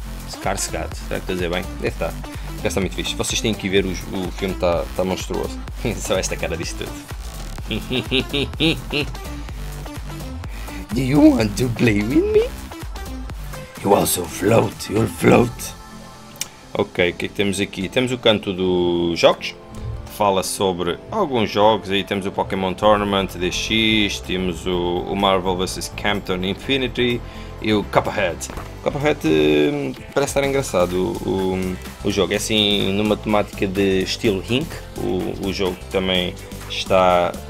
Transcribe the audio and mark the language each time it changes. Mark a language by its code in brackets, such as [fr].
[pt] Skarsgård, será que dizer bem? Deve estar. Está muito fixe. Vocês têm que ver, o filme está monstruoso. Só esta cara disse tudo. [en] Do you want to play with me? You also float, you'll float. [pt] Ok, o que é que temos aqui? Temos o canto dos jogos, fala sobre alguns jogos. Aí temos o Pokémon Tournament DX, temos o Marvel vs. Capcom Infinity e o Cuphead. Cuphead parece estar engraçado o jogo. É assim, numa temática de estilo Rink, o jogo também está.